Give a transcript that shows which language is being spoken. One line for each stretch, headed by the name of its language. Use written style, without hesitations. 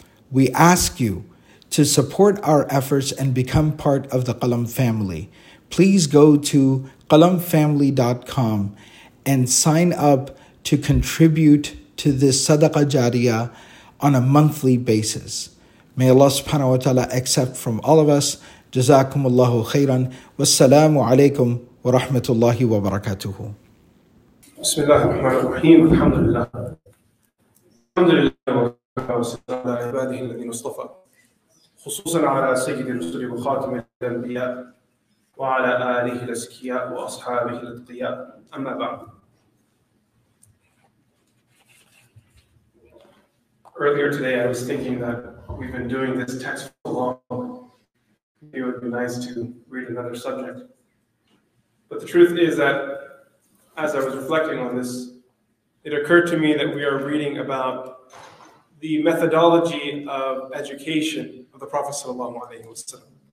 English: We ask you to support our efforts and become part of the Qalam family. Please go to qalamfamily.com and sign up to contribute to this Sadaqah Jariyah on a monthly basis. May Allah subhanahu wa ta'ala accept from all of us.
Arabic: جزاكم الله خيرا والسلام عليكم ورحمة الله وبركاته. بسم الله الرحمن الرحيم الحمد لله الحمد لله والسلام على عباده الذين اصطفى خصوصا على سيد الرسل وخاتم الأنبياء وعلى آله الأزكياء وأصحابه الأتقياء أما بعد.
English: Earlier today I was thinking that we've been doing this text for long. It would be nice to read another subject. But the truth is that as I was reflecting on this, it occurred to me that we are reading about the methodology of education of the Prophet Sallallahu Alaihi Wasallam.